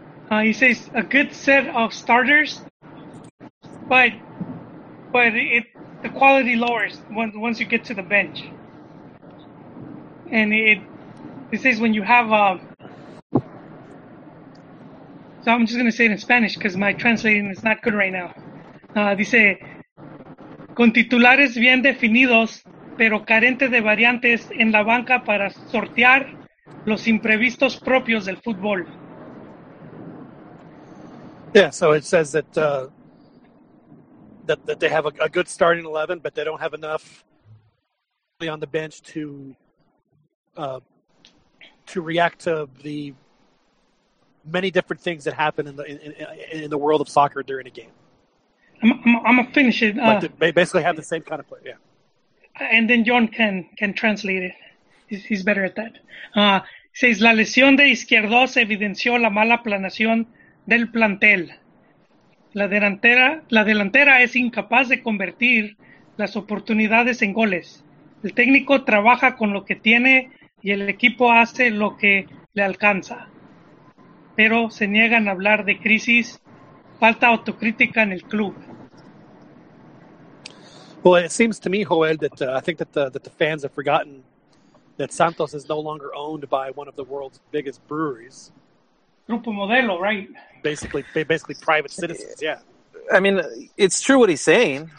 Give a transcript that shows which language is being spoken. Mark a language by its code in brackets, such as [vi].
[en] He says a good set of starters, but the quality lowers once you get to the bench. And it says when you have so I'm just gonna say it in Spanish because my translating is not good right now. [es] Dice con titulares bien definidos, pero carentes de variantes en la banca para sortear los imprevistos propios del fútbol. [en] Yeah, so it says that that they have a good starting 11, but they don't have enough on the bench to react to the many different things that happen in the world of soccer during a game. I'm gonna finish it. Like they basically have the same kind of play, yeah. And then John can translate it. He's better at that. [es] Says la lesión de Izquierdos evidenció la mala planación del plantel. La delantera es incapaz de convertir las oportunidades en goles. El técnico trabaja con lo que tiene y el equipo hace lo que le alcanza. Pero se niegan a hablar de crisis, falta autocrítica en el club. [en] Well, it seems to me, Joel, that I think that the fans have forgotten that Santos is no longer owned by one of the world's biggest breweries. Grupo Modelo, right? Basically private citizens, yeah. I mean, it's true what he's saying.